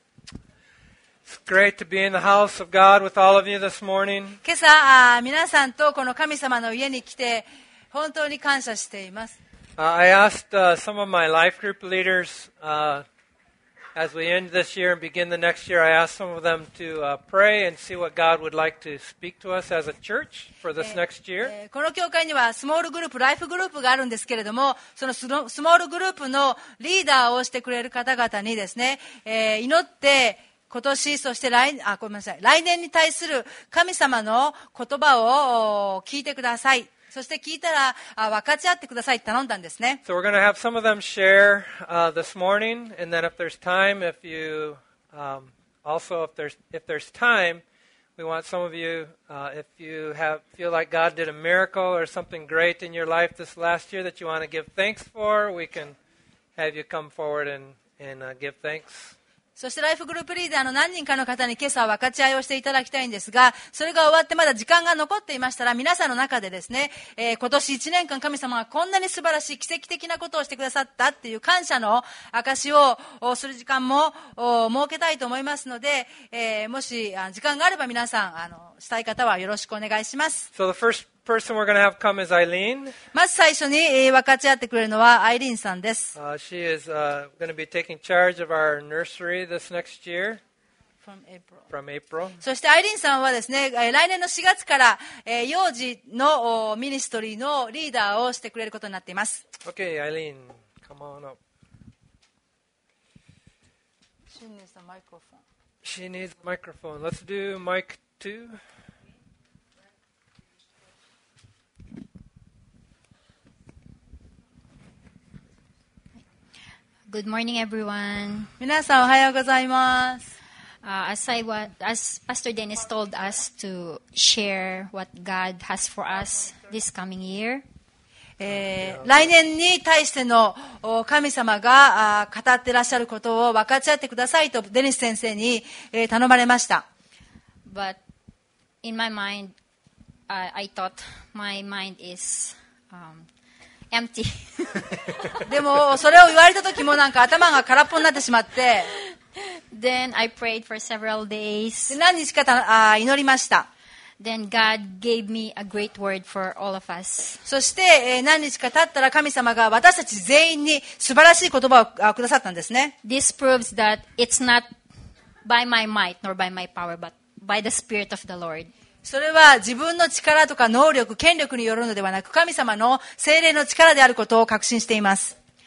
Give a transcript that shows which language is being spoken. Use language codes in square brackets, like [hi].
[en] It's great to be in the house of God with all of you this morning. [ja] 今朝、皆さんとこの神様の家に来て本当に感謝しています。 [en] I asked some of my life group leaders, as we end this year and begin the next year, I asked some of them to pray and see what God would like to speak to us as a church for this next year. [ja] この教会にはスモールグループ、ライフグループがあるんですけれども、そのスモールグループのリーダーをしてくれる方々にですね、祈って今年、そして来年に対する神様の言葉を聞いてください。そして聞いたら分かち合ってくださいって頼んだんですね。 [en] So we're going to have some of them share this morning, and then if there's time, if you also if there's time, we want some of you if you have feel like God did a miracle or something great in your life this last year that you want to give thanks for, we can have you come forward and give thanks. [ja] そしてライフグループリーダーの何人かの方に今朝分かち合いをしていただきたいんですが、それが終わってまだ時間が残っていましたら、皆さんの中でですね、今年1年間神様がこんなに素晴らしい奇跡的なことをしてくださったっていう感謝の証をする時間も設けたいと思いますので、もし時間があれば皆さんしたい方はよろしくお願いします。 [en] So the first person we're going to have come is Eileen. [ja] まず最初に分かち合ってくれるのはアイリーンさんです。 [en] She is going to be taking charge of our nursery this next year. From April. [ja] そしてアイリーンさんはですね、来年の4月から幼児のミニストリーのリーダーをしてくれることになっています。 [en] Okay, Eileen, come on up. She needs a microphone. She needs a microphone. Let's do mic two. Good morning, everyone. [ja] 皆さんおはようございます。 [en] As Pastor Dennis told us to share what God has for us this coming year. [ja] 来年に対しての神様が語ってらっしゃることを分かち合ってくださいとデニス先生に頼まれました。 [en] But in my mind, I thought my mind is empty. [ja] でもそれを言われた時もなんか頭が空っぽになってしまって [en] Then I prayed for several days. [ja] 何日か祈りました。 [en] Then God gave me a great word for all of us. [ja] そして何日か経ったら神様が私たち全員に素晴らしい言葉をくださったんですね。 [en] This proves that it's not by my might nor by my power but by the Spirit of the Lord. [ja] それは自分の力とか能力、権力によるのではなく、神様の聖霊の力であることを確信しています。